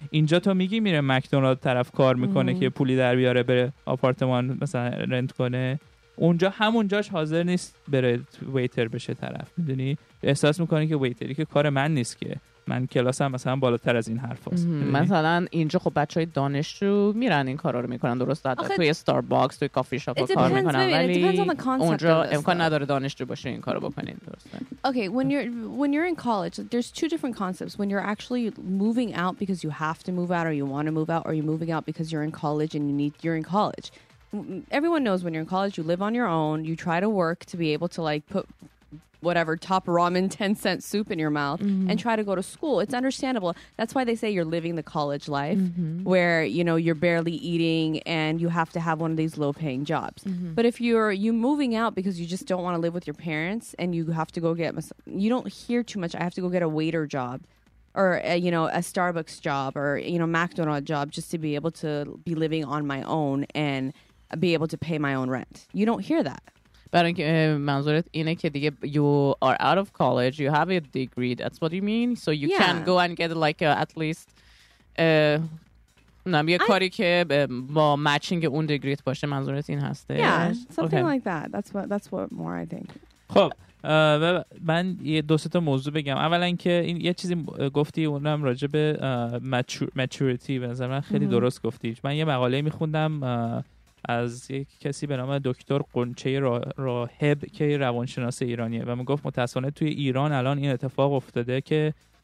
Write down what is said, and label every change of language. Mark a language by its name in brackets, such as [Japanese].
[Persian] اینجا تو میگی میره مکدونالد طرف کار میکنه که پولی در بیاره بره آپارتمان مثلا رنت کنه، اونجا همونجاش حاضر نیست بره ویتر بشه طرف، میدونی احساس میکنه که ویتری که کار من نیست، که من کلاسم مثلا بالاتر از این حرف هست. مثلا اینجا خب بچه های دانشجو میرن این کارا رو میکنن، درست داده توی ستارباکس توی کافی شاپ کار میکنن، ولی اونجا امکان نداره دانشجو باشه این کار رو بکنین، درست داره. [English] Okay, when you're in college, there's two different concepts. When you're actually moving out because you have to move out or you want to move out, or you're moving out because you're in college and you're in college. Everyone knows when you're in college, you live on your own, you try to work to be able to like put whatever top ramen 10 cent soup in your mouth and try to go to school. It's understandable. That's why they say you're living the college life where, you know, you're barely eating and you have to have one of these low paying jobs. But if you're moving out because you just don't want to live with your parents and you have to go get, you don't hear too much, I have to go get a waiter job or, a Starbucks job or, you know, McDonald's job just to be able to be living on my own and be able to pay my own rent. You don't hear that. [Persian] برای اینکه منظورت اینه که دیگه [English] you are out of college, you have a degree, that's what you mean, so you can go and get like at least [Persian] نمیه کاری که با [English] matching اون degree باشه، [Persian] منظورت این هسته [English] something like that, that's what more I think. [Persian] خب من یه دو سه تا موضوع بگم. اولا که این یه چیزی گفتی اونم راجع به maturity به نظر من خیلی درست گفتی. من یه مقاله میخوندم از یک کسی به نام دکتر قنچه راهب که روانشناس ایرانیه و من گفت متاسفانه توی ایران الان این اتفاق افتاده که